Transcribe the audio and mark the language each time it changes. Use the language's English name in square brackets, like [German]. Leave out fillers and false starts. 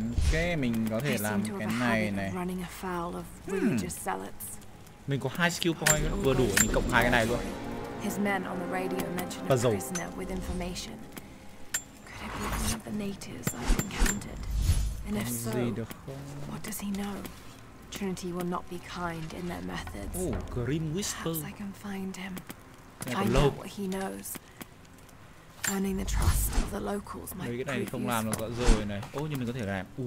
[Vietnamese] Okay, mình có thể làm cái này này. [English] Running afoul of religious zealots. [Vietnamese] Mình có 2 skill point vừa đủ, mình cộng 2 cái này luôn. [English] His men on the radio mentioned a prisoner with information. Could it be one of the natives I've encountered? And if so, what does he know? Trinity will not be kind in their methods. Oh, Grim Whisper. Perhaps I can find him. Find out what he knows. Earning the trust of the locals might be useful. [Vietnamese] Cái này thì không làm được rồi này. Ô, nhưng mình có thể làm.